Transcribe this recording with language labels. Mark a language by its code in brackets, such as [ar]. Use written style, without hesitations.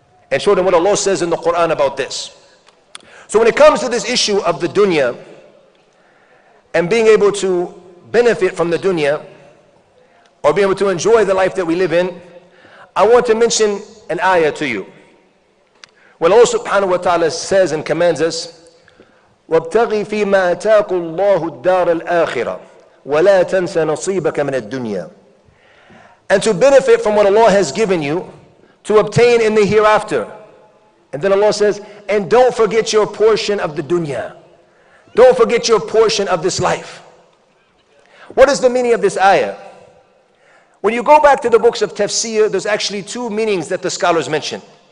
[en] And showed him what Allah says in the Quran about this. So when it comes to this issue of the dunya and being able to benefit from the dunya or be able to enjoy the life that we live in, I want to mention an ayah to you. When Allah subhanahu wa ta'ala says and commands us, [ar] وَابْتَغِي فِي مَا أَتَاكُ اللَّهُ الدَّارَ الْآخِرَةِ وَلَا تَنْسَ نَصِيبَكَ مِنَ الدُّنْيَا. [en] And to benefit from what Allah has given you, to obtain in the hereafter. And then Allah says, and don't forget your portion of the dunya. Don't forget your portion of this life. What is the meaning of this ayah? When you go back to the books of tafsir, there's actually two meanings that the scholars mention.